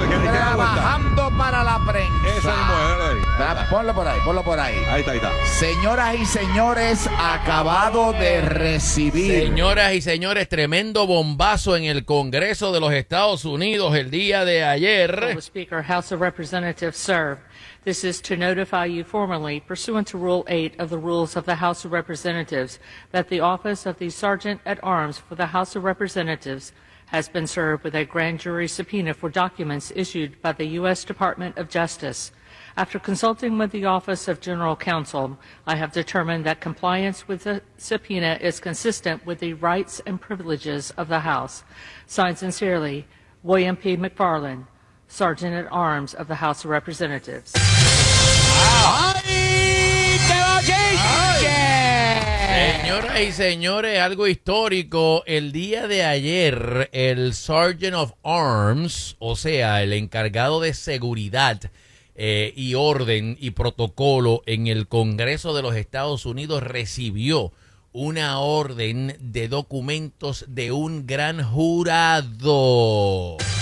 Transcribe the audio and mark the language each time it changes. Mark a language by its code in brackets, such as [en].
[es] Trabajando para la prensa. Ponlo por ahí. Ahí está. Señoras y señores, acabado de recibir. Señoras y señores, tremendo bombazo en el Congreso de los Estados Unidos el día de ayer. [en] Speaker, House of Representatives, sir. This is to notify you formally, pursuant to Rule 8 of the Rules of the House of Representatives, that the office of the Sergeant at Arms for the House of Representatives has been served with a grand jury subpoena for documents issued by the U.S. Department of Justice. After consulting with the Office of General Counsel, I have determined that compliance with the subpoena is consistent with the rights and privileges of the House. Signed sincerely, William P. McFarland, Sergeant at Arms of the House of Representatives. [es] Señoras y señores, algo histórico. El día de ayer, el Sergeant of Arms, o sea, el encargado de seguridad y orden y protocolo en el Congreso de los Estados Unidos, recibió una orden de documentos de un gran jurado.